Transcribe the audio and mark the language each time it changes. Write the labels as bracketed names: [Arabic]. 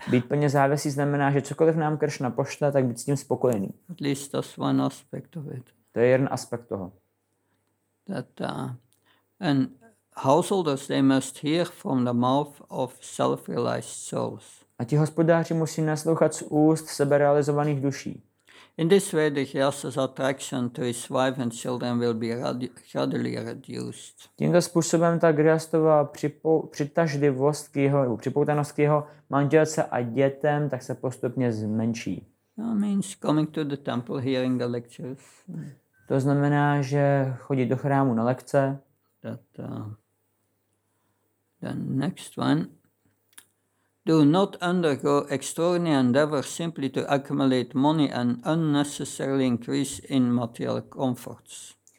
[Czech] Být plně závisí znamená, že cokoliv nám Krishna pošle, tak být s tím spokojený. [English] At least that's one aspect of it. [Czech] To je jeden aspekt toho. [English] That, and householders, they must hear from the mouth of self-realized souls. [Czech] A ti hospodáři musí naslouchat z úst seberealizovaných duší. [English] In this way, the Hyasa's attraction to his wife and children will be radically reduced. [Czech] Tímto způsobem ta Grihastova přitažlivost k jeho, připoutanost k jeho manželce a dětem tak se postupně zmenší. [English] That means coming to the temple, hearing the lectures. [Czech] To znamená, že chodí do chrámu na lekce. [English] That, the next one. Do not undergo extraordinary endeavors simply to accumulate money and unnecessarily increase in material comforts.